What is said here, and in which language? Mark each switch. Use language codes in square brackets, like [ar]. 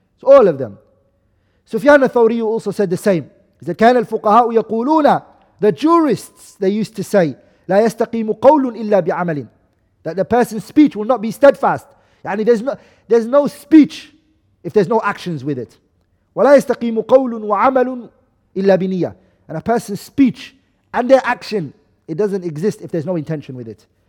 [en] It's all of them. Sufyan al-Thawri also said the same. He said, كان الفقهاء يقولون, the jurists, they used to say, لا يستقيم قول إلا بعمل, that the person's speech will not be steadfast. يعني there's no speech if there's no actions with it. [ar] ولا يستقيم قول وعمل إلا بنية. [en] And a person's speech and their action, it doesn't exist if there's no intention with it.